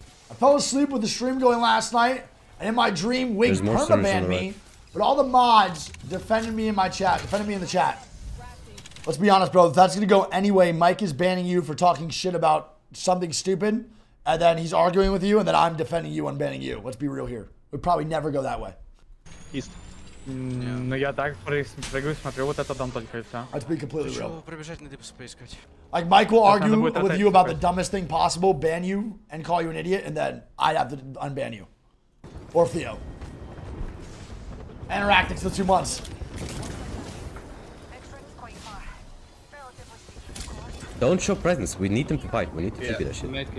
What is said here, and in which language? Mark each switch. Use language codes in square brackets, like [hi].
[en] I fell asleep with the stream going last night. And in my dream, Wings permabanned me, but all the mods defended me in the chat. Let's be honest, bro. If that's going to go anyway, Mike is banning you for talking shit about something stupid, and then he's arguing with you, and then I'm defending you and banning you. Let's be real here. We'd probably never go that way. East. [ru] Ну я так прыгаю, смотрю, вот это дом только и все. [en] Let's be completely real. [ru] Пробежать на DPS поискать. [en] Like, Mike will argue with you about the dumbest thing possible, ban you, and call you an idiot, and then I'd have to unban you. Or Theo. Anoractics for 2 months. Don't show presence, we need them to fight, we need to figure that shit.